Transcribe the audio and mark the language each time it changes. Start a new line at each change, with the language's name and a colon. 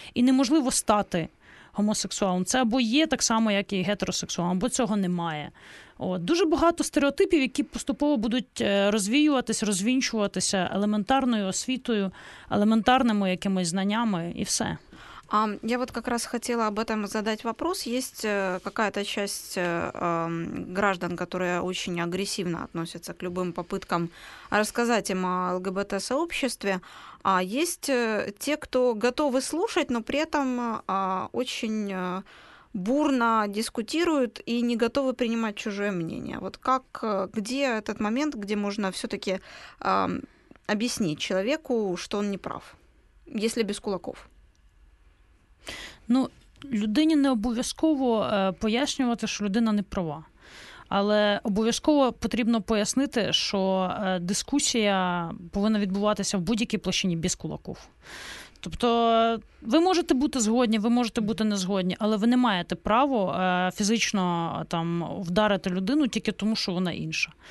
Ukrainian: І неможливо стати гомосексуалом. Це або є так само, як і гетеросексуалом, або цього немає. От. Дуже багато стереотипів, які поступово будуть розвіюватись, розвінчуватися елементарною освітою, елементарними якимись знаннями і все.
Russian: А я вот как раз хотела об этом задать вопрос. Есть какая-то часть граждан, которые очень агрессивно относятся к любым попыткам рассказать им о ЛГБТ-сообществе, а есть те, кто готовы слушать, но при этом очень бурно дискутируют и не готовы принимать чужое мнение. Вот как, где этот момент, где можно всё-таки объяснить человеку, что он не прав, если без кулаков?
Ukrainian: Ну, людині не обов'язково пояснювати, що людина не права. Але обов'язково потрібно пояснити, що дискусія повинна відбуватися в будь-якій площині без кулаків. Тобто, ви можете бути згодні, ви можете бути не згодні, але ви не маєте право фізично там вдарити людину тільки тому, що вона інша.